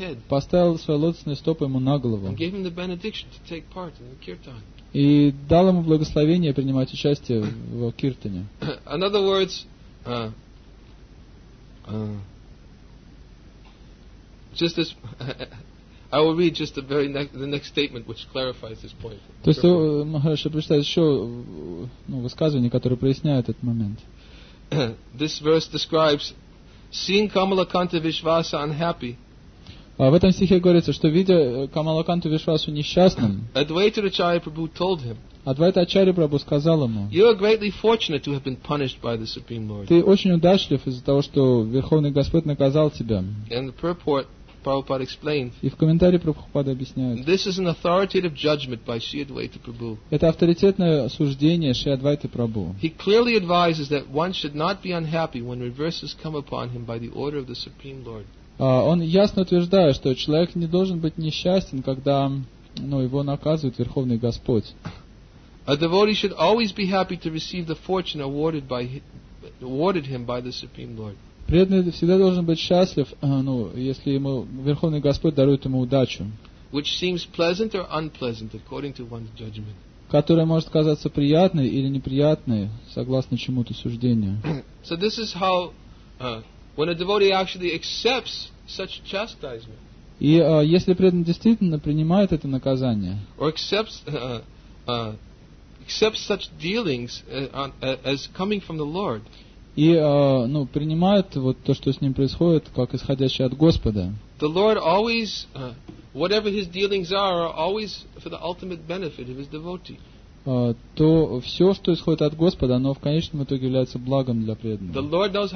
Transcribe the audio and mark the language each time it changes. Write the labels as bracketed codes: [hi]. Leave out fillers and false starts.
[ru] Поставил свои лотосные стопы ему на голову. И дал ему благословение принимать участие в киртане. [en] In other words, just as I will read just the very next statement which clarifies this point. [ru] То есть Махараджа прочитает еще высказывание, которое проясняет этот момент. [en] This verse describes seeing Kamala Kanta Vishvasa unhappy. [ru] В этом стихе говорится, что видя Камала Канту Вишвасу несчастным, [en] Advaita Acharya Prabhu told him, [ru] Advaita Acharya Prabhu сказал ему, [en] you are greatly fortunate to have been punished by the Supreme Lord. [ru] Ты очень удачлив из-за того, что Верховный Господь наказал тебя. [en] And the purport Prabhupada explained, [ru] и в комментарии Прабхупада объясняет, [en] this is an authoritative judgment by Sri Advaita Prabhu. [ru] Это авторитетное суждение Шри Адвайты Прабху. [en] He clearly advises that one should not be unhappy when reverses come upon him by the order of the Supreme Lord. [ru] Он ясно утверждает, что человек не должен быть несчастен, когда его наказывает Верховный Господь. [en] A devotee should always be happy to receive the fortune awarded him by the Supreme Lord. [ru] Преданный всегда должен быть счастлив, если ему Верховный Господь дарует ему удачу. [en] Which seems pleasant or unpleasant according to one's judgment. [ru] Которая может казаться приятной или неприятной, согласно чему-то суждению. [en] So this is how when a devotee actually accepts such chastisement, [ru] и если преданный действительно принимает это наказание, [en] or accepts such dealings as coming from the Lord, [ru] и принимает вот то, что с ним происходит, как исходящее от Господа, [en] the Lord always, whatever his dealings are always for the ultimate benefit of his devotee. [ru] То все, что исходит от Господа, оно в конечном итоге является благом для преданного.